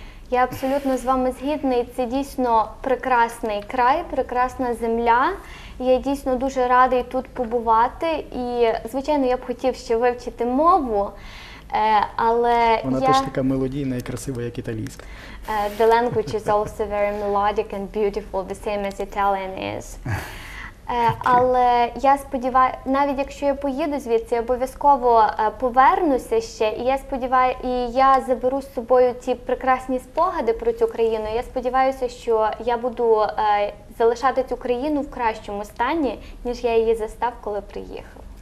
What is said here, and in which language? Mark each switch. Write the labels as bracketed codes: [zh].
[uk] Я абсолютно з вами згідна, і це дійсно прекрасний край, прекрасна земля. Я дійсно дуже радий тут побувати, і, звичайно, я б хотів ще вивчити мову, але вона теж така мелодійна і красива, як італійська. [en] The language is also very melodic and beautiful, the same as Italian is. [uk] Але я сподіваюся, навіть якщо я поїду звідси, обов'язково повернуся ще, і я сподіваюся, і я заберу з собою ці прекрасні спогади про цю країну. Я сподіваюся, що я буду залишати цю країну в кращому стані, ніж я її застав, коли приїхав.